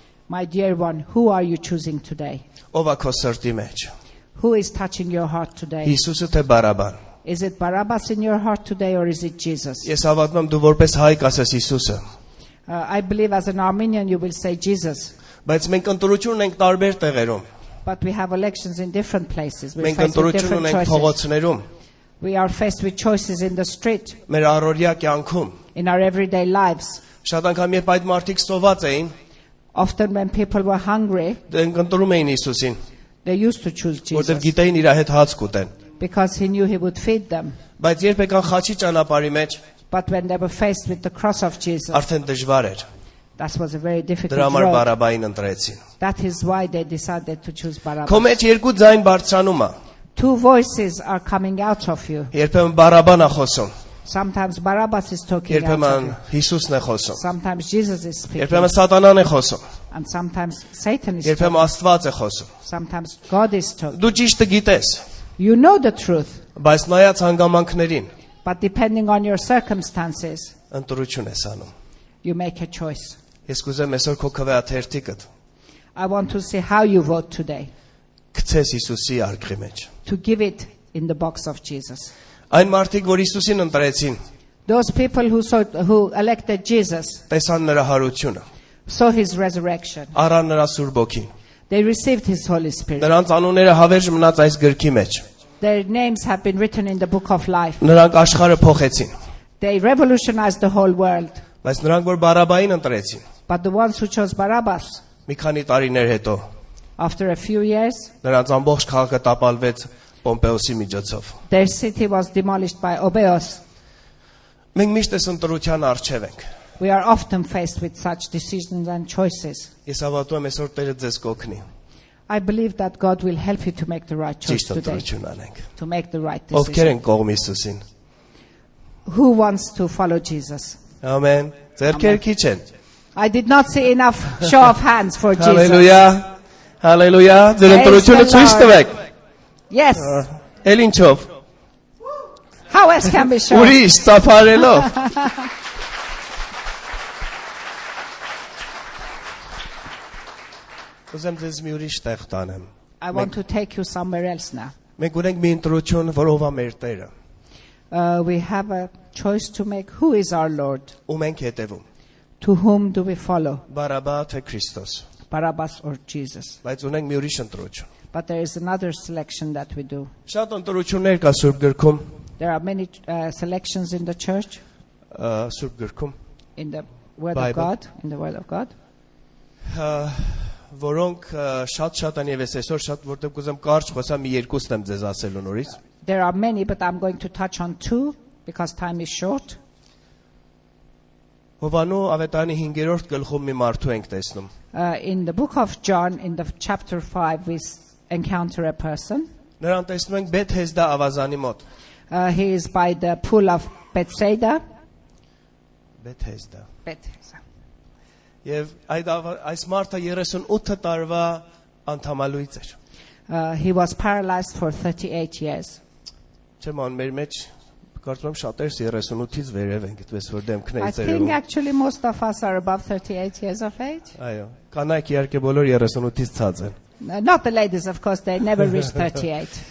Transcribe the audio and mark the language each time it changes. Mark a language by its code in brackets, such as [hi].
[en] My dear one, who are you choosing today? [hy] Ո՞վ է քո սրտի մեջ. [en] Who is touching your heart today? [hy] Հիսուսը թե Բարաբան. [en] Is it Barabbas in your heart today or is it Jesus? [hy] Ես հավատում եմ, դու որպես հայ կասես Հիսուսը. [en] I believe as an Armenian you will say Jesus. [hy] Բայց մենք ընտրություն ունենք տարբեր տեղերում. [en] But we have elections in different places. We face different choices. We are faced with choices in the street. [hy] Մեր առօրյա կյանքում. [en] In our everyday lives. [hy] Շատ անգամ երբ այդ մարդիկ սոված էին, [en] often when people were hungry, [hy] դենք ընտրում էին Հիսուսին. [en] They used to choose Jesus. [hy] Որտեղ գիտեին իր հետ հաց կուտեն. [en] Because he knew he would feed them. [hy] Բայց երբ եկան խաչի ճանապարհի մեջ, [en] but when they were faced with the cross of Jesus, [hy] արդեն դժվար էր. [en] That was a very difficult road. [hy] Դրա համար Բարաբային ընտրեցին. [en] That is why they decided to choose Barabbas. [hy] Քո մեջ երկու ձայն բարձրանում է. [en] Two voices are coming out of you. [hy] Երբեմն Բարաբան է խոսում. [en] Sometimes Barabbas is talking. [hy] Երբեմն Հիսուսն է խոսում. [en] Sometimes Jesus is speaking. [hy] Երբեմն Սատանան է խոսում. [en] And sometimes Satan is talking. [hy] Երբեմն Աստված է խոսում. [en] Sometimes God is talking. [hy] Դու ճիշտ գիտես. [en] You know the truth. [hy] Բայց նայած հանգամանքներին. [en] But depending on your circumstances. [hy] Ընտրություն ես անում. [en] You make a choice. [hy] Ես կուզեմ այսօր քո քվեա թերթիկդ. [en] I want to see how you vote today. [hy] Գցես Հիսուսի արգի մեջ. [en] To give it in the box of Jesus. [hy] Այն մարդիկ, որ Հիսուսին ընտրեցին. [en] Those people who elected Jesus. [hy] Տեսան նրա հարությունը. [en] Saw his resurrection. [hy] Առան նրա Սուրբ Օգին. [en] They received his Holy Spirit. [hy] Նրանց անունները հավերժ մնաց այս գրքի մեջ. [en] Their names have been written in the book of life. [hy] Նրանք աշխարհը փոխեցին. [en] They revolutionized the whole world. [hy] Բայց նրանք, որ Բարաբային ընտրեցին. [en] But the ones who chose Barabbas. [hy] Մի քանի տարիներ հետո. [en] After a few years. [hy] Նրանց ամբողջ քաղաքը տապալվեց Պոմպեոսի միջոցով. [en] Their city was demolished by Obeos. [hy] Մենք միշտ այս ընտրության առջև ենք. [en] We are often faced with such decisions and choices. [hy] Ես հավատում եմ այսօր Տերը ձեզ կօգնի. [en] I believe that God will help you to make the right choice today. [hy] Ճիշտ ընտրություն անենք. [en] To make the right decision. [hy] Ովքեր են կողմ Հիսուսին. [en] Who wants to follow Jesus? [hy] Amen. Ձերքեր քիչ են. [en] I did not see enough show of hands for Jesus. Hallelujah. Hallelujah. [hy] Ձեր ընտրությունը ցույց տվեք. [en] Yes. [hy] Ելինչով. [en] How else can be sure? [hy] Ուրիշ ծափարելով. Ուզեմ ձեզ մի ուրիշ տեղ տանեմ. [en] I want to take you somewhere else now. [hy] Մենք ունենք մի ընտրություն, որով է մեր Տերը. [en] We have a choice to make. Who is our Lord? [hy] Ու մենք հետևում. [en] To whom do we follow? [hy] Բարաբա թե Քրիստոս. [en] Barabbas or Jesus. [hy] Բայց ունենք մի ուրիշ ընտրություն. [en] But there is another selection that we do. [hy] Շատ ընտրություններ կա Սուրբ գրքում. [en] There are many selections in the church. [hy] Սուրբ գրքում. [en] In the word of God, in the word of God. [hy] Որոնք շատ-շատ են եւ ես այսօր շատ որտեղ կուզեմ կարճ խոսամ, մի երկուսն եմ ձեզ ասելու նորից. [en] There are many but I'm going to touch on two because time is short. [hy] Հովանու ավետարանի 5-րդ գլխում մի մարդու ենք տեսնում. [en] In the book of John in the chapter 5 we encounter a person. [hy] Նրան տեսնում ենք Բեթեսդա ավազանի մոտ. [en] He is by the pool of Bethesda. Bethesda. Bethesda. [hy] Եվ այս մարդը 38 տարվա անթամալույց էր. [en] He was paralyzed for 38 years. [hy] Չեմ մեր մեջ կարծում եմ շատերս 38-ից վերև ենք, այդպես որ դեմքն է ծերում. [en] I think actually most of us are above 38 years of age. [hy] Այո, կանայք իհարկե բոլոր 38-ից ցած են. [en] Not the ladies of course, they never reach 38.